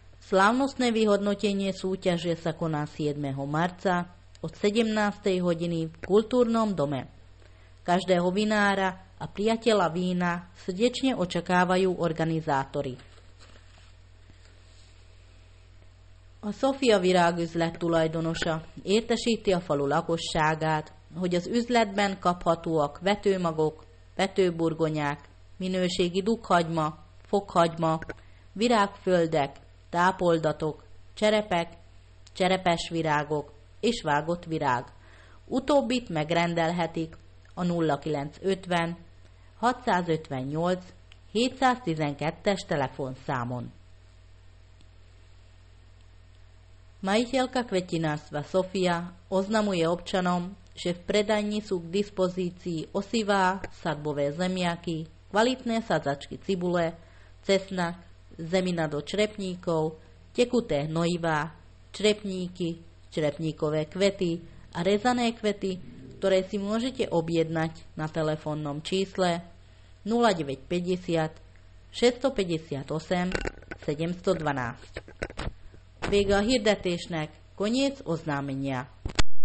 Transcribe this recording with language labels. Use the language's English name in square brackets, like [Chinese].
[Slovak] Slávnostné vyhodnotenie súťaže sa koná 7. marca od 17. hodiny v kultúrnom dome. Každého vinára a priateľa vína srdečne očakávajú organizátori. [Hungarian] A Sofia virágüzlet tulajdonosa értesíti a falu lakosságát, hogy az üzletben kaphatóak vetőmagok, vetőburgonyák, minőségi dughagyma, fokhagyma, virágföldek, tápoldatok, cserepek, cserepes virágok és vágott virág. Utóbbit megrendelhetik a 0950 658 712-es telefonszámon. [Slovak] Majiteľka kvetinárstva Sofia oznamuje občanom, že v predajni sú k dispozícii osivá, sadbové zemiaky, kvalitné sadzačky cibule, cesnak, zemina do črepníkov, tekuté hnojivá, črepníky, črepníkové kvety a rezané kvety, ktoré si môžete objednať na telefónnom čísle 0950 658 712. [Hungarian] Vége a hirdetésnek, [Slovak] koniec oznámenia.